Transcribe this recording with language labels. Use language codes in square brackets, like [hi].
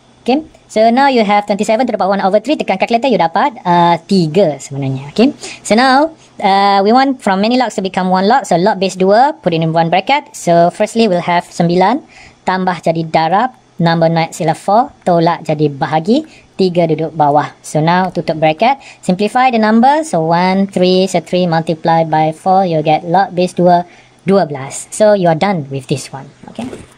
[en] Okay, so now you have 27 to the power 1 over 3. [ms] Tekan calculator, you dapat 3 sebenarnya. [en] Okay, so now we want from many logs to become 1 log. So log base 2, put in 1 bracket. So firstly, we'll have [ms] 9 tambah jadi darab, number naik sila 4, tolak jadi bahagi, 3 duduk bawah. [en] So now [ms] tutup [en] bracket, simplify the number. So 1, 3, so 3 multiply by 4, you get log base 2, 12. So you are done with this one. Okay.